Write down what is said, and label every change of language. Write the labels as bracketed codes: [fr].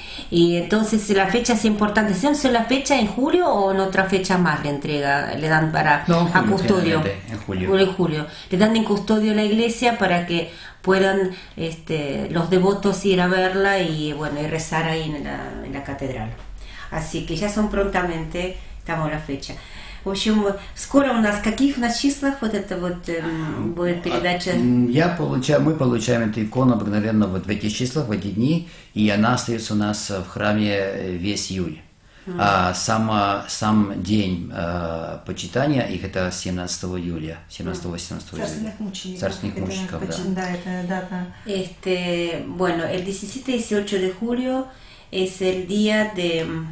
[es] Y entonces la fecha es importante, ¿se hace la fecha en julio o en otra fecha más le dan para a custodio? En julio. Le dan en custodio a la iglesia para que puedan los devotos ir a verla y rezar ahí en la catedral. Así que ya son prontamente, estamos la fecha. [ru] В общем, скоро у нас каких на числах вот это вот будет передача? Мы получаем эту икону обыкновенно вот в этих числах, в эти дни, и она остается у нас в храме весь июль. А сам день почитания их это 17 июля, 17-18 июля. Царственных мучеников, да. [es] Bueno, el 17-18 de julio es el día de